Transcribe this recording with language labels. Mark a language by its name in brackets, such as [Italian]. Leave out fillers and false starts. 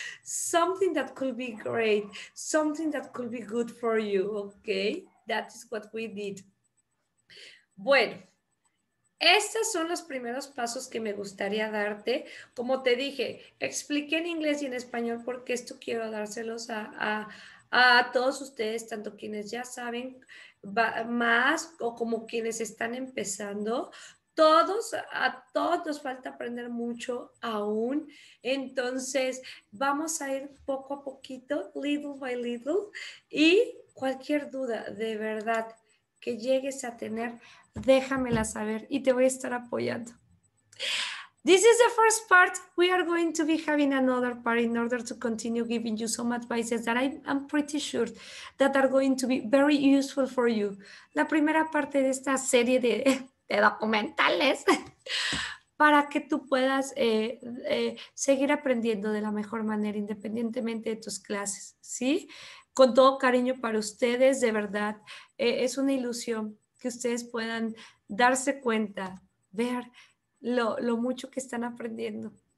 [English] Something that could be great, something that could be good for you, ¿ok? That is what we did. [Spanish] Bueno, estos son los primeros pasos que me gustaría darte. Como te dije, expliqué en inglés y en español porque esto quiero dárselos a todos ustedes, tanto quienes ya saben más o como quienes están empezando. Todos, a todos nos falta aprender mucho aún. Entonces, vamos a ir poco a poquito, [English] little by little. [Spanish] Y cualquier duda, de verdad, que llegues a tener, déjamela saber y te voy a estar apoyando. [English] This is the first part. We are going to be having another part in order to continue giving you some advices that I'm pretty sure that are going to be very useful for you. [Spanish] La primera parte de esta serie de documentales para que tú puedas seguir aprendiendo de la mejor manera, independientemente de tus clases, ¿sí? Con todo cariño para ustedes, de verdad, es una ilusión que ustedes puedan darse cuenta, ver lo mucho que están aprendiendo.